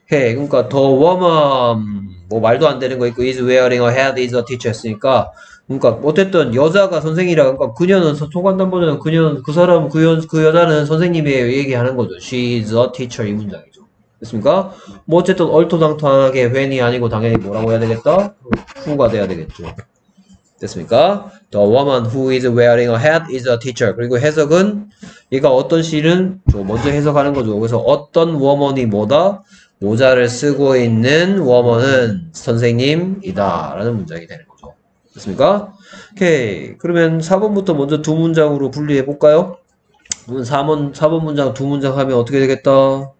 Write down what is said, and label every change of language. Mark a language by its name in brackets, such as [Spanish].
[Korean] Okay, 그러니까 [English] the woman [Korean] 뭐 말도 안 되는 거 있고 [English] is wearing a hat is a teacher [Korean] 했으니까 그러니까 어쨌든 여자가 선생이라 그러니까 그녀는 초간단 보다는 그녀는 그 사람 그 여자는 선생님이에요 얘기하는 거죠. [English] She is a teacher [Korean] 이 문장이죠. 됐습니까? 뭐 어쨌든 얼토당토하게 when이 아니고 당연히 뭐라고 해야 되겠다? who가 돼야 되겠죠. 됐습니까? [English] The woman who is wearing a hat is a teacher. [Korean] 그리고 해석은 얘가 어떤 시는 먼저 해석하는 거죠. 그래서 어떤 woman이 뭐다? 모자를 쓰고 있는 woman은 선생님이다 라는 문장이 되는 거죠. 됐습니까? 오케이. 그러면 4번부터 먼저 두 문장으로 분리해 볼까요? 4번, 4번 문장 두 문장 하면 어떻게 되겠다?